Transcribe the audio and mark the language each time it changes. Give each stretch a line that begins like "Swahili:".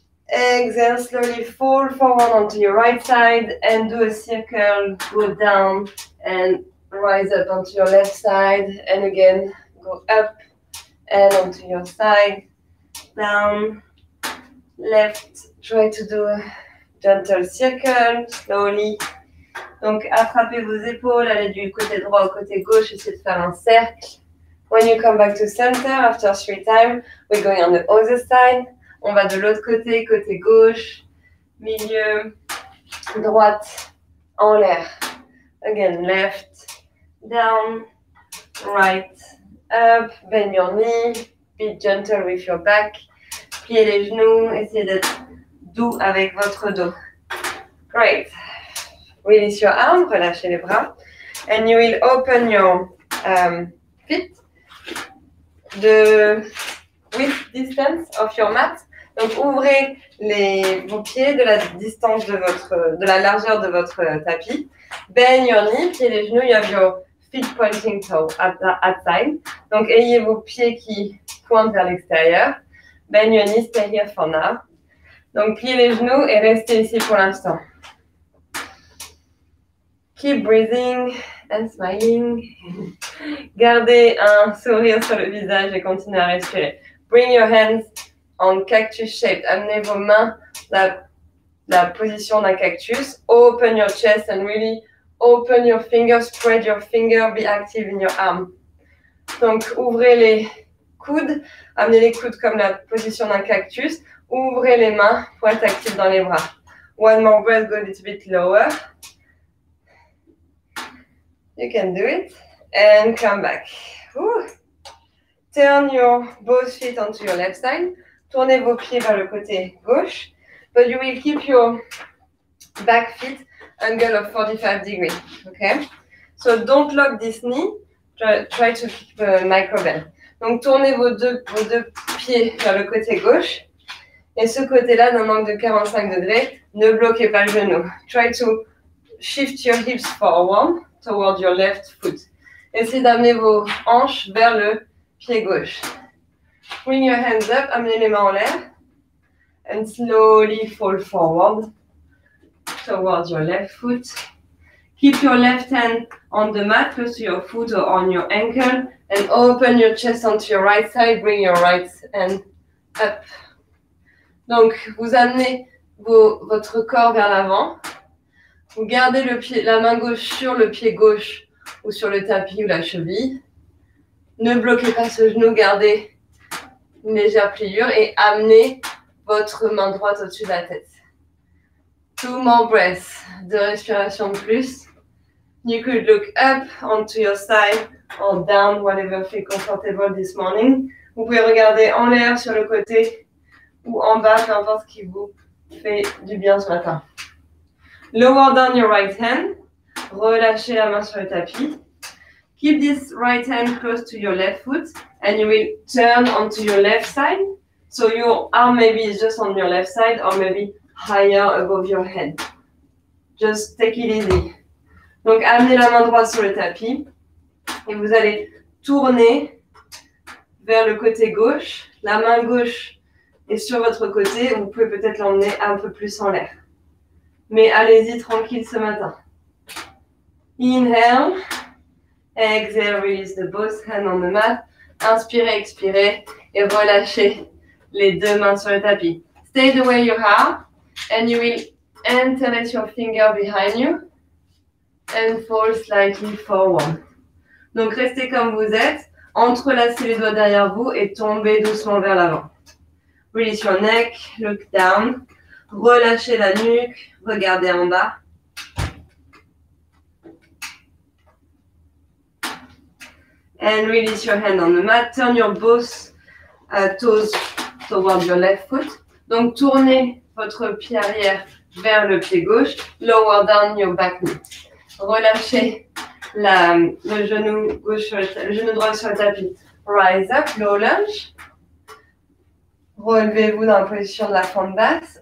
English: Exhale, slowly fold forward onto your right side, and do a circle, go down, and rise up onto your left side, and again, go up, and onto your side, down, left. Try to do a gentle circle, slowly.
French: Donc, attrapez vos épaules, allez du côté droit au côté gauche, essayez de faire un cercle.
English: When you come back to center, after three times, we're going on the other side.
French: On va de l'autre côté, côté gauche, milieu, droite, en l'air.
English: Again, left, down, right, up, bend your knee, be gentle with your back.
French: Pliez les genoux, essayez d'être doux avec votre dos.
English: Great. Release your arm,
French: relâchez les bras.
English: And you will open your feet the width distance of your mat.
French: Donc ouvrez vos pieds de la distance de la largeur de votre tapis.
English: Bend your knee,
French: pieds les genoux,
English: you have your feet pointing toe at time.
French: Donc ayez vos pieds qui pointent vers l'extérieur.
English: Bend your knee, stay here for now.
French: Donc pliez les genoux et restez ici pour l'instant.
English: Keep breathing and smiling.
French: Gardez un sourire sur le visage et continuez à respirer.
English: Bring your hands on cactus shaped.
French: Amenez vos mains la position d'un cactus.
English: Open your chest and really open your fingers. Spread your finger. Be active in your arm.
French: Donc, ouvrez les coudes. Amenez les coudes comme la position d'un cactus. Ouvrez les mains pour être active dans les bras.
English: One more breath. Go a little bit lower. You can do it. And come back. Turn your both feet onto your left side.
French: Tournez vos pieds vers le côté gauche.
English: But you will keep your back feet angle of 45 degrees. Okay? So don't lock this knee. Try to keep the micro bend.
French: Donc tournez vos deux pieds vers le côté gauche. Et ce côté-là, d'un angle de 45 degrés, ne bloquez pas le genou.
English: Try to shift your hips forward toward your left foot.
French: Essayez d'amener vos hanches vers le pied gauche.
English: Bring your hands up,
French: amenez les mains en l'air.
English: And slowly fall forward towards your left foot. Keep your left hand on the mat, close to your foot or on your ankle. And open your chest onto your right side, bring your right hand up.
French: Donc, vous amenez votre corps vers l'avant. Vous gardez la main gauche sur le pied gauche ou sur le tapis ou la cheville. Ne bloquez pas ce genou, gardez une légère pliure et amenez votre main droite au-dessus de la tête.
English: Two more breaths,
French: deux respirations de plus.
English: You could look up onto your side or down, whatever feels comfortable this morning.
French: Vous pouvez regarder en l'air sur le côté ou en bas, peu importe ce qui vous fait du bien ce matin.
English: Lower down your right hand.
French: Relâchez la main sur le tapis.
English: Keep this right hand close to your left foot and you will turn onto your left side. So your arm maybe is just on your left side or maybe higher above your head. Just take it easy.
French: Donc, amenez la main droite sur le tapis et vous allez tourner vers le côté gauche. La main gauche est sur votre côté. Vous pouvez peut-être l'emmener un peu plus en l'air. Mais allez-y tranquille ce matin.
English: Inhale. Exhale, release the both hands on the mat.
French: Inspirez, expirez et relâchez les deux mains sur le tapis.
English: Stay the way you are and you will interlace your finger behind you. And fall slightly forward.
French: Donc, restez comme vous êtes. Entrelacez les doigts derrière vous et tombez doucement vers l'avant.
English: Release your neck. Look down.
French: Relâchez la nuque. Regardez en bas.
English: And release your hand on the mat. Turn your both toes towards your left foot.
French: Donc, tournez votre pied arrière vers le pied gauche.
English: Lower down your back knee.
French: Relâchez le genou droit sur le tapis. Rise up, low lunge. Relevez-vous dans la position de la fente basse.